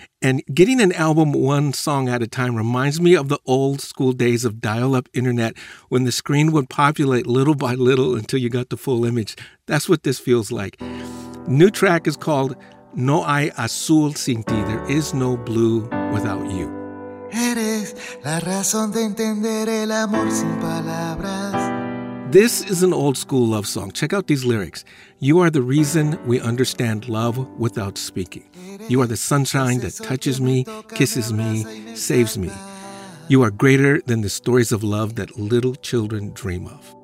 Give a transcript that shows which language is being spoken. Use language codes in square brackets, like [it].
[en] And getting an album one song at a time reminds me of the old school days of dial-up internet when the screen would populate little by little until you got the full image. That's what this feels like. New track is called No Hay Azul Sin Ti. There is no blue without you. [es] Eres la razón de entender el amor sin palabras. [en] This is an old school love song. Check out these lyrics. You are the reason we understand love without speaking. You are the sunshine that touches me, kisses me, saves me. You are greater than the stories of love that little children dream of.